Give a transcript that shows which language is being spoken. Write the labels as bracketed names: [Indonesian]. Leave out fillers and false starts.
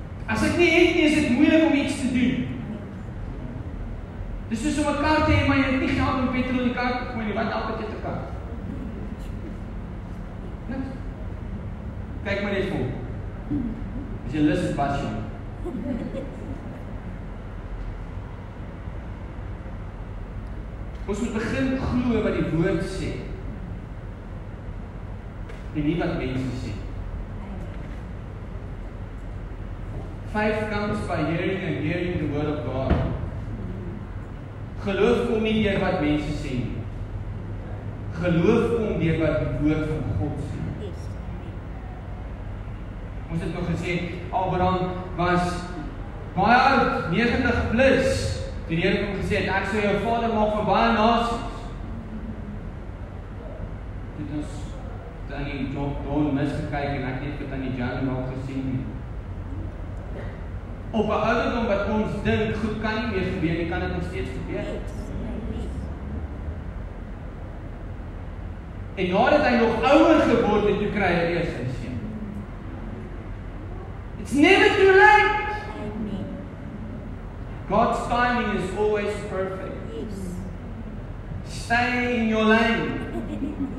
[Afrikaans] As ek nie het nie, is dit moeilik om iets te doen. Dis soos om 'n kar te hê, maar jy het nie geld om petrol in die kar te gooi nie, wat help dit jou te kar? Niks. Kyk maar net voor. As jy lus is, bas jy. Ons moet begin glo wat die woord sê. En nie wat mense sê. [English] 5 comes by hearing and hearing the word of God. [Afrikaans] Geloof kom nie deur wat mense sê. Geloof kom deur wat die woord van God sê. Ons het nog gesê, Abraham was baie oud, 90 plus. Die Heer kom gesê het, ek sal jou vader maak van baie nasies. Dit ons dan die John misgekyk en ek het aan die John maak gesien. Op een ouderdom wat ons dink, goed kan nie meer gebeur, nie kan dit nog steeds gebeur. En nadat hy nog ouder geword het, toe kry hy eers sy seun. [English] It's never too late. God's timing is always perfect. Yes. Stay in your lane.